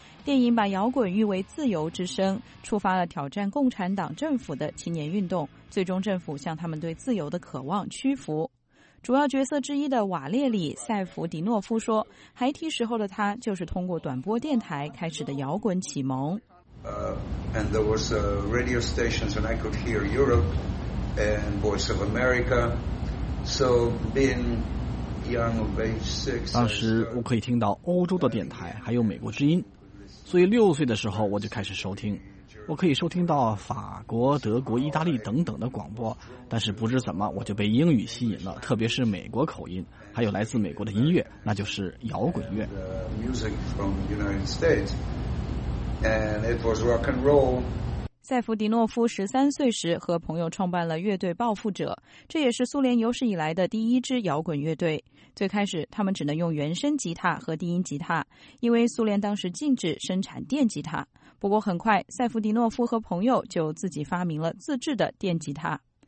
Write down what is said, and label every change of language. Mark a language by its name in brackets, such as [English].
[Chinese] 电影把摇滚誉为自由之声，触发了挑战共产党政府的青年运动，最终政府向他们对自由的渴望屈服。主要角色之一的瓦列里·塞弗迪诺夫说，孩提时候的他就是通过短波电台开始的摇滚启蒙。 [English] And there was radio stations and I could hear Europe and Voice of America. So being young of age six, [Chinese] 当时我可以听到欧洲的电台还有美国之音，所以6岁的时候我就开始收听，我可以收听到法国、德国、意大利等等的广播，但是不知怎么我就被英语吸引了，特别是美国口音，还有来自美国的音乐，那就是摇滚乐。 [English] Music from the United States. And it was rock and roll. [Chinese] 塞弗迪诺夫13岁时和朋友创办了乐队报复者，这也是苏联有史以来的第一支摇滚乐队。最开始他们只能用原声吉他和低音吉他，因为苏联当时禁止生产电吉他。不过很快塞弗迪诺夫和朋友就自己发明了自制的电吉他。